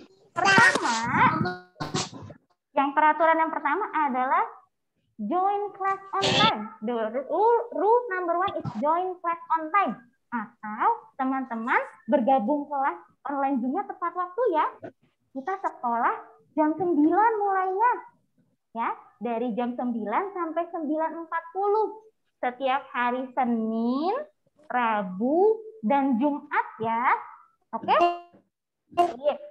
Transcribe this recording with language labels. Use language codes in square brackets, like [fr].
[id] Pertama, yang peraturan yang pertama adalah [en] join class on time. The rule number one is join class on time. [id] Atau teman-teman bergabung kelas online juga tepat waktu ya. Kita sekolah jam 9 mulainya. Ya, dari jam 9 sampai 9.40. Setiap hari Senin, Rabu, dan Jumat ya. Oke? Okay? Yeah.